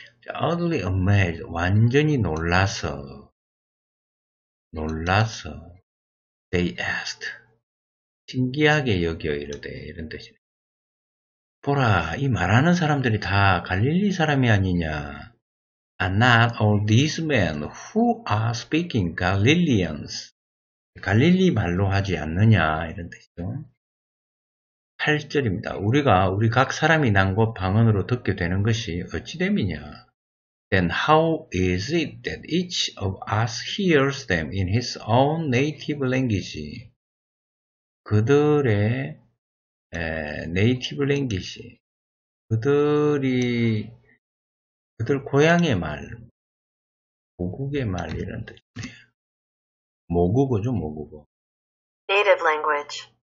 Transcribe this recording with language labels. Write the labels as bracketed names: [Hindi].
[English] utterly amazed. [Korean] 완전히 놀라서. 놀라서. [English] they asked. [Korean] 신기하게 여겨 이르되, 이런 뜻이네. 보라, 이 말하는 사람들이 다 갈릴리 사람이 아니냐. [English] Are not all these men who are speaking Galileans. [Korean] 갈릴리 말로 하지 않느냐, 이런 뜻이죠. 8절입니다. 우리가 우리 각 사람이 난 곳 방언으로 듣게 되는 것이 어찌됨이냐. [English] Then how is it that each of us hears them in his own native language? [Korean] 그들의 네이티브 랭귀지, 그들 고향의 말, 모국의 말, 이런 뜻이네요. 모국어죠, 모국어. [English] Native language.